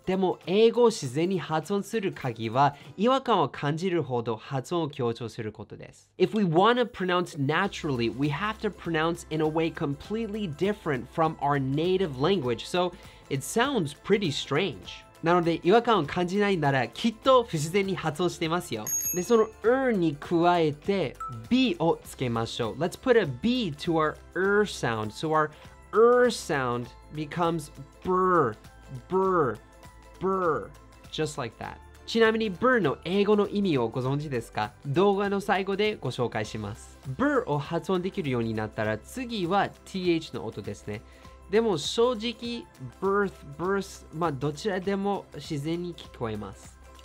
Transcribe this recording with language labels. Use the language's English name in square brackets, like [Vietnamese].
[Japanese] でも英語を自然に発音する鍵は違和感を感じるほど発音を強調することです。 [English] If we want to pronounce naturally, we have to pronounce in a way completely different from our native language. So it sounds pretty strange. [Japanese] なので違和感を感じないならきっと不自然に発音してますよ。で、その に加えて B をつけましょう。 [English] Let's put a B to our sound. So oursound becomes brr, just like that. [Japanese] ちなみに brr の英語の意味をご存知ですか？動画の最後でご紹介します。 brr を発音できるようになったら次は th の音ですね。でも正直 birth, まあどちらでも自然に聞こえます。